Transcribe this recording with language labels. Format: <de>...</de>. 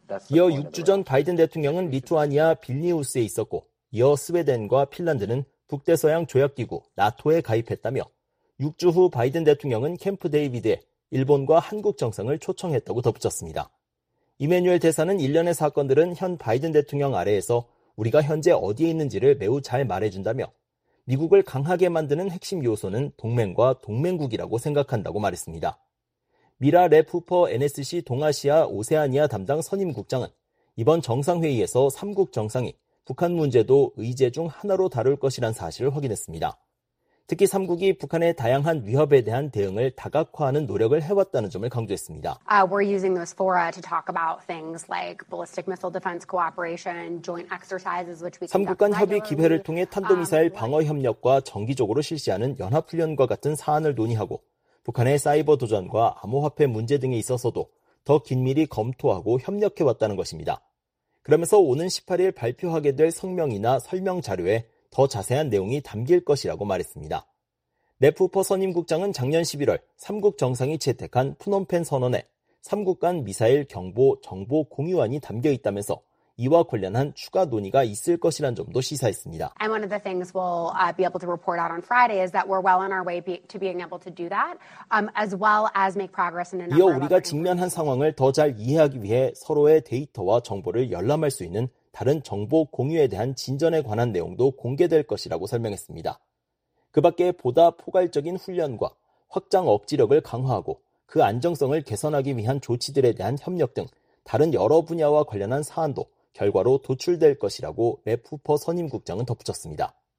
<ko>이어 6주 전 바이든 대통령은 리투아니아 빌니우스에 있었고 이어 스웨덴과 핀란드는 북대서양 조약기구 나토에 가입했다며 6주 후 바이든 대통령은 캠프 데이비드에 일본과 한국 정상을 초청했다고 덧붙였습니다. 이메뉴엘 대사는 일련의 사건들은 현 바이든 대통령 아래에서 우리가 현재 어디에 있는지를 매우 잘 말해준다며 미국을 강하게 만드는 핵심 요소는 동맹과 동맹국이라고 생각한다고 말했습니다. 미라 랩 후퍼 NSC 동아시아 오세아니아 담당 선임 국장은 이번 정상회의에서 3국 정상이 북한 문제도 의제 중 하나로 다룰 것이란 사실을 확인했습니다. 특히 3국이 북한의 다양한 위협에 대한 대응을 다각화하는 노력을 해왔다는 점을 강조했습니다.</ko> <en>We're using those fora to talk about things like ballistic missile defense cooperation, joint exercises, which we conduct.</en> <ko>3국 간 협의 기회를 통해 탄도미사일 방어 협력과 정기적으로 실시하는 연합훈련과 같은 사안을 논의하고 북한의 사이버 도전과 암호화폐 문제 등에 있어서도 더 긴밀히 검토하고 협력해왔다는 것입니다. 그러면서 오는 18일 발표하게 될 성명이나 설명 자료에 더 자세한 내용이 담길 것이라고 말했습니다. 랩후퍼 선임 국장은 작년 11월 3국 정상이 채택한 푸놈펜 선언에 3국 간 미사일 경보 정보 공유안이 담겨 있다면서 이와 관련한 추가 논의가 있을 것이란 점도 시사했습니다.</ko> <en>And one of the things we'll be able to report out on Friday is that we're well on our way to being able to do that, as well as make progress in a number of other.</en> <ko>이어 우리가 직면한 상황을 더 잘 이해하기 위해 서로의 데이터와 정보를 열람할 수 있는 다른 정보 공유에 대한 진전에 관한 내용도 공개될 것이라고 설명했습니다. 그 밖에 보다 포괄적인 훈련과 확장 억지력을 강화하고 그 안정성을 개선하기 위한 조치들에 대한 협력 등 다른 여러 분야와 관련한 사안도 결과로 도출될 것이라고 맵후퍼 선임국장은 덧붙였습니다.</ko>